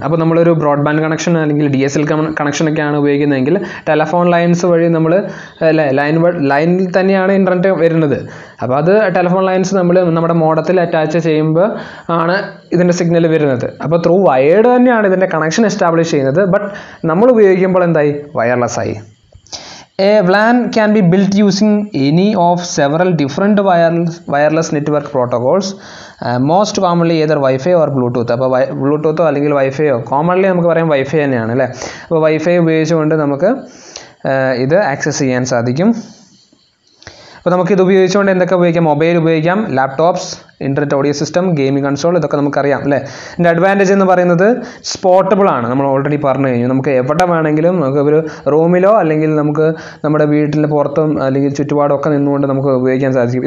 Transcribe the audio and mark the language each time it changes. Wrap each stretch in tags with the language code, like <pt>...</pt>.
<ml>അപ്പോൾ നമ്മളൊരു broadband connection അല്ലെങ്കിൽ ഡി എസ് എൽ കണക്ഷനൊക്കെയാണ് ഉപയോഗിക്കുന്നതെങ്കിൽ ടെലഫോൺ ലൈൻസ് വഴി നമ്മൾ ലൈനിൽ തന്നെയാണ് ഇൻ്റർനെറ്റ് വരുന്നത്. അപ്പോൾ അത് ടെലഫോൺ ലൈൻസ് നമ്മൾ നമ്മുടെ മോഡത്തിൽ അറ്റാച്ച് ചെയ്യുമ്പോൾ ആണ് ഇതിൻ്റെ സിഗ്നൽ വരുന്നത്. അപ്പോൾ ത്രൂ വയേർഡ് തന്നെയാണ് ഇതിൻ്റെ കണക്ഷൻ എസ്റ്റാബ്ലിഷ് ചെയ്യുന്നത്. ബട്ട് നമ്മൾ ഉപയോഗിക്കുമ്പോൾ എന്തായി, വയർലെസ് ആയി.</ml> <en>A WLAN can be built using any of several different wireless network protocols. Most commonly either Wi-Fi or Bluetooth.</en> <ml>അപ്പോൾ ബ്ലൂടൂത്തോ അല്ലെങ്കിൽ വൈഫൈയോ, കോമൺലി നമുക്ക് പറയാം വൈഫൈ തന്നെയാണ് അല്ലേ. അപ്പോൾ വൈഫൈ ഉപയോഗിച്ചുകൊണ്ട് നമുക്ക് ഇത് ആക്സസ് ചെയ്യാൻ സാധിക്കും. അപ്പോൾ നമുക്ക് ഇത് ഉപയോഗിച്ചുകൊണ്ട് എന്തൊക്കെ ഉപയോഗിക്കാം, മൊബൈൽ ഉപയോഗിക്കാം, laptops, internet audio system, gaming console, ഇതൊക്കെ നമുക്കറിയാം അല്ലേ. ഇതിൻ്റെ അഡ്വാൻറ്റേജ് എന്ന് പറയുന്നത് സ്പോർട്ടബിൾ ആണ്. നമ്മൾ ഓൾറെഡി പറഞ്ഞു കഴിഞ്ഞു, നമുക്ക് എവിടെ വേണമെങ്കിലും നമുക്ക് ഒരു റൂമിലോ അല്ലെങ്കിൽ നമുക്ക് നമ്മുടെ വീട്ടിൻ്റെ പുറത്തും അല്ലെങ്കിൽ ചുറ്റുപാടും ഒക്കെ നിന്നുകൊണ്ട് നമുക്ക് ഉപയോഗിക്കാൻ സാധിക്കും.</ml>